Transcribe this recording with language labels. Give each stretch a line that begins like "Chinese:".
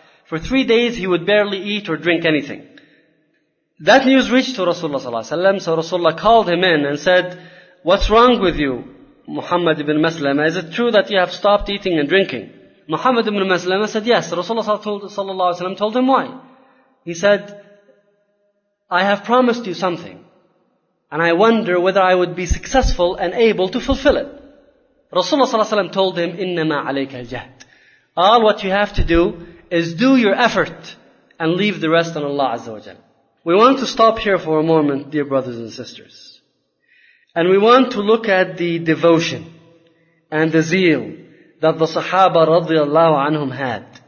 English: For 3 days he would barely eat or drink anything. That news reached to Rasulullah صلى الله عليه وسلم, so Rasulullah called him in and said, what's wrong with you, Muhammad ibn Maslama? Is it true that you have stopped eating and drinking? Muhammad ibn Maslama said, yes. Rasulullah صلى الله عليه وسلم told him why. He said, I have promised you something, and I wonder whether I would be successful and able to fulfill it.
Arabic: Rasulullah صلى الله عليه وسلم told him, إِنَّمَا عَلَيْكَ الْجَهْدِ.
English: All what you have to do is do your effort and leave the rest on Allah عز وجل. We want to stop here for a moment, dear brothers and sisters. And we want to look at the devotion and the zeal that the Sahaba radiallahu anhum had.